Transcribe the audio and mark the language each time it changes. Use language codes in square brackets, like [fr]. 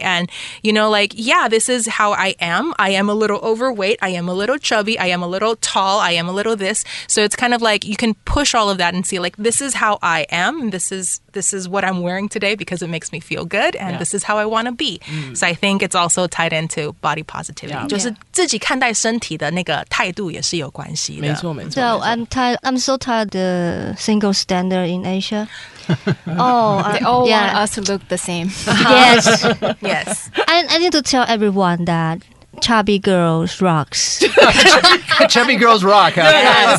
[en] And, you know, like, yeah, this is how I am. I am a little overweight. I am a little chubby. I am a little tall. I am a little this. So it's kind of like you can push all of that and see like, this is how I am. This is what I'm wearing today because it makes me feel good. And this is how I want to be. Mm. So I think it's also tied into body positivity. [zh] Yeah. 就是自己看待身体的那个态度也是有关系的。没错没错。 [en] I'm so tired of the single standard in Asia. Oh, they all want us to look the same. Yes. Yes. I need to tell everyone that chubby girls rocks. Chubby girls rock, huh?